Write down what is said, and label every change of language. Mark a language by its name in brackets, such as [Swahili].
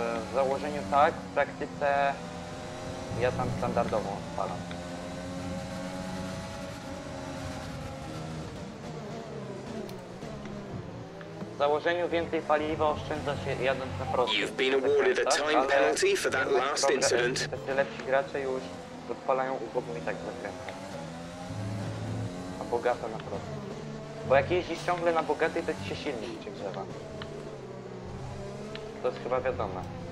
[Polish] W założeniu tak, w praktyce ja tam standardowo odpalam. W założeniu więcej paliwa oszczędza się jadąc na prosto. [English] You've been awarded a time penalty for that last incident. [Polish] Te lepsi gracze już odpalają ubogą i tak zakręta. A bogata na prosto. Bo jak jeździsz ciągle na bogatej, to ci się silniej się grzewa. To jest chyba wiadome.